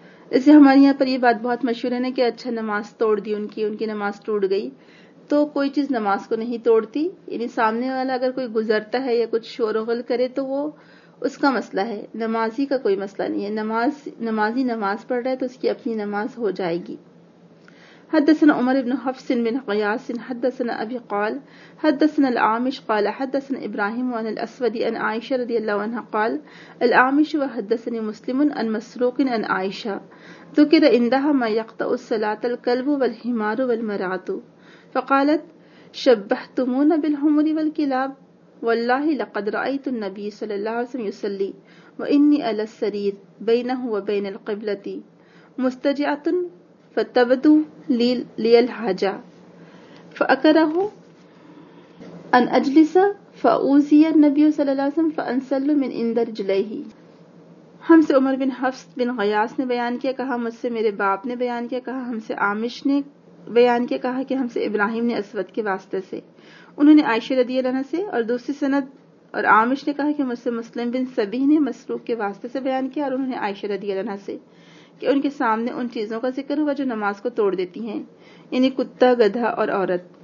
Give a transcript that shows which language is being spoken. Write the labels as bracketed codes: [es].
[ur] اس سے ہمارے یہاں پر یہ بات بہت مشہور ہے نا کہ اچھا نماز توڑ دی ان کی نماز ٹوٹ گئی, تو کوئی چیز نماز کو نہیں توڑتی. یعنی سامنے والا اگر کوئی گزرتا ہے یا کچھ شور و غل کرے تو وہ اس کا مسئلہ ہے, نمازی کا کوئی مسئلہ نہیں ہے. نمازی نماز پڑھ رہا ہے تو اس کی اپنی نماز ہو جائے گی. [ar] حدثنا عمر بن حفص بن قیاس حدثنا ابی قال حدثنا العامش قال حدثنا ابراہیم عن الاسود عن عائشہ رضی اللہ عنہ قال العامش وحدثني مسلم عن مسروق عن عائشہ ذکر عندها ما يقطع الصلاة الكلب والحمار والمراۃ فقالت شبحتمون بالحمر والكلاب والله لقد رأيت النبي صلى الله عليه وسلم يصلي وإني على السرير بينه وبين القبلة مستجعة فتبدو لي الحاجة فأكره أن أجلس فأوزي النبي صلى الله عليه وسلم فأنسل من عند رجليه. [ur] ہم سے عمر بن حفص بن غیاث نے بیان کیا, کہا مجھ سے میرے باپ نے بیان کیا, کہا ہم سے عامش نے بیان کیا, کہا کہ ہم سے ابراہیم نے اسود کے واسطے سے, انہوں نے عائشہ رضی اللہ عنہ سے, اور دوسری سند اور عامش نے کہا کہ مجھ سے مسلم بن سبیح نے مسروق کے واسطے سے بیان کیا, اور انہوں نے عائشہ رضی اللہ عنہ سے کہ ان کے سامنے ان چیزوں کا ذکر ہوا جو نماز کو توڑ دیتی ہیں, یعنی کتا, گدھا اور عورت.